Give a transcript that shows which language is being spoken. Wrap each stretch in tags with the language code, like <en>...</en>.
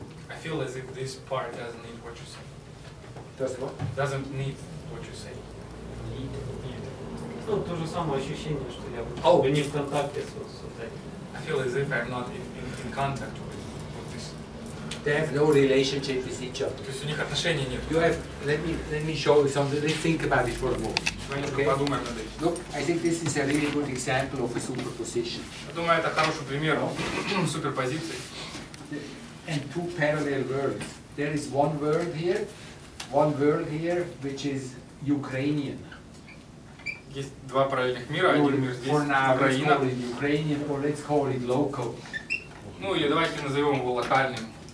<en>I feel as if this part doesn't need what you say. Does what? Doesn't need what you say. Need? Need.</en> <ru>Ну, то же самое ощущение, что я не в контакте с вот этим.</ru> <en>I feel as if I'm not in contact with this. They have no relationship with each other.</en> <ru>То есть у них отношений нет.</ru> <en>You have... Let me show you something. Let's think about it for a moment. Okay. Look, I think this is a really good example of a superposition.</en> <ru>Я думаю, это хороший пример суперпозиции.</ru> <en>And two parallel worlds. There is one world here, which is Ukrainian.</en> <ru>Есть два параллельных мира, один мир здесь, Украина.</ru> <en>For now, let's call it Ukrainian, or let's call it local.</en> <ru>Ну или давайте назовем его локальным.</ru>